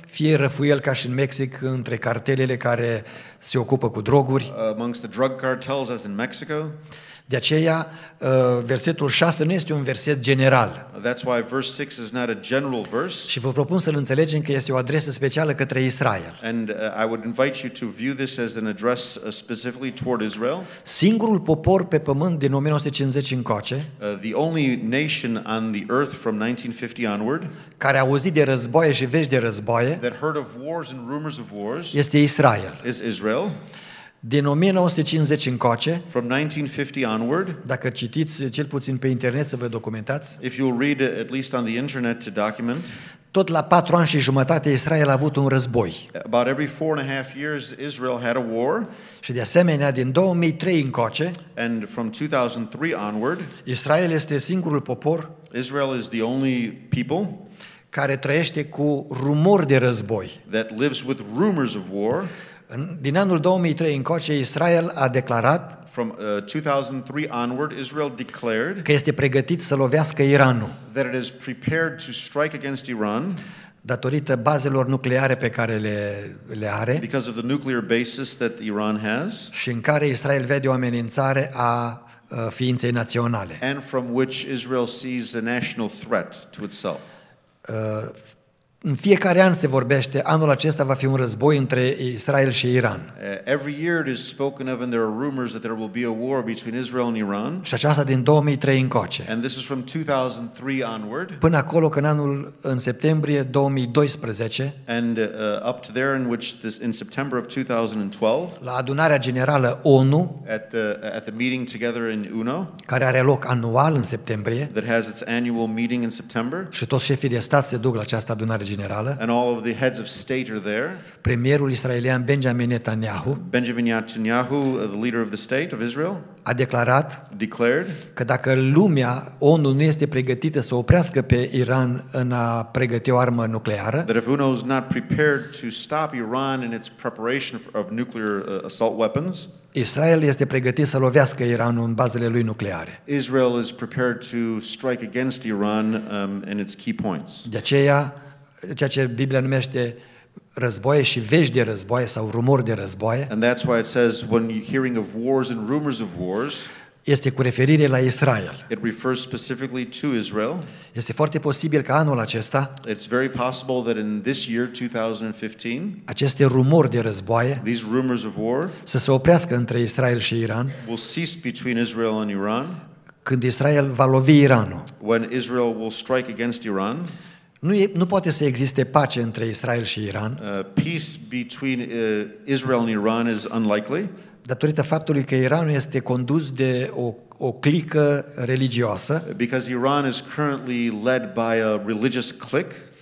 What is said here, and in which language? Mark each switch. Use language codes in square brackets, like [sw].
[ro] Fie răfuiel ca și în Mexic între cartelele care se ocupă cu droguri. [en] Amongst the drug cartels as in Mexico. [ro] De aceea, versetul 6 nu este un verset general. [en] That's why verse 6 is not a general verse. [ro] Și vă propun să-l înțelegem că este o adresă specială către Israel. [en] And I would invite you to view this as an address specifically toward Israel. [ro] Singurul popor pe pământ din 1950 încoace, [en] the only nation on the earth from 1950 onward, [ro] care a auzit de războaie și vești de războaie, [en] that heard of wars and rumors of wars, [ro] este Israel. [en] Is Israel. [ro] Din 1950 încoace, [en] from 1950 onward, [ro] dacă citiți cel puțin pe internet să vă documentați, [en] if you read at least on the internet to document, [ro] tot la 4 ani și jumătate Israel a avut un război. [en] About every 4.5 years Israel had a war. [ro] Și de asemenea din 2003 încoace, [en] and from 2003 onward, [ro] Israel este singurul popor, [en] Israel is the only people, [ro] care trăiește cu rumori de război. [en] That lives with rumors of war. [ro] Din anul 2003 încoace, Israel a declarat, [en] from 2003 onward, Israel declared, [ro] că este pregătit să lovească Iranul, [en] that it is prepared to strike against Iran, [ro] datorită bazelor nucleare pe care le are, [en] because of the nuclear basis that Iran has, [ro] și în care Israel vede o amenințare a ființei naționale, [en] and from which Israel sees a national threat to itself. [ro] În fiecare an se vorbește, anul acesta va fi un război între Israel și Iran. [en] Every year it is spoken of and there are rumors that there will be a war between Israel and Iran. [ro] Și aceasta din 2003 încoace. [en] And this is from 2003 onward. [ro] Până acolo când anul în septembrie 2012. [en] And up to there in which this in September of 2012. [ro] La adunarea generală ONU. [en] At the meeting together in UNO. [ro] Care are loc anual în septembrie. [en] That has its annual meeting in September. [ro] Și toți șefii de stat se duc la această adunare generală. [en] And all of the heads of state are there. [ro] Premierul israelian Benjamin Netanyahu, [en] the leader of the state of Israel, [ro] a declarat, [en] declared, [ro] că dacă lumea, ONU nu este pregătită să oprească pe Iran în a pregăti o armă nucleară, [en] that if UNO is not prepared to stop Iran in its preparation of nuclear assault weapons, [ro] Israel este pregătit să lovească Iranul în bazele lui nucleare. [en] Israel is prepared to strike against Iran in its key points. [ro] De aceea, ceea ce Biblia numește războaie și vești de războaie sau rumori de războaie. [en] And that's why it says when you're hearing of wars and rumors of wars. [ro] Este cu referire la Israel. [en] It refers specifically to Israel. [ro] Este foarte posibil ca anul acesta. [en] It's very possible that in this year 2015. [ro] Aceste rumori de războaie. [en] These rumors of war. [ro] Să se oprească între Israel și Iran. [en] Will cease between Israel and Iran. [ro] Când Israel va lovi Iranul. [en] When Israel will strike against Iran. [ro] Nu poate să existe pace între Israel și Iran. [en] Peace between Israel and Iran is unlikely. [ro] Datorită faptului că Iranul este condus de o clică religioasă. [en] Because Iran is currently led by a religious clique.